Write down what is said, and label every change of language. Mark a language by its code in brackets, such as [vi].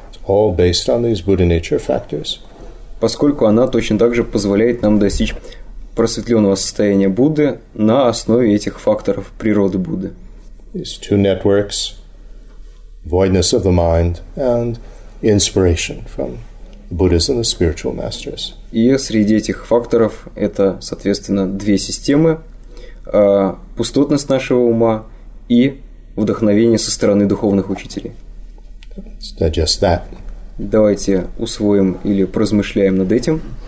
[en] It's all based on these Buddha nature factors. [ru] Поскольку она точно так же позволяет нам достичь просветленного состояния Будды на основе этих факторов природы Будды. [en] These two networks, voidness of the mind and inspiration from Buddhism and the spiritual masters. [ru] И среди этих факторов это, соответственно, две системы: пустотность нашего ума и вдохновение со стороны духовных учителей. [en] Let's digest that. [ru] Давайте усвоим или поразмышляем над этим.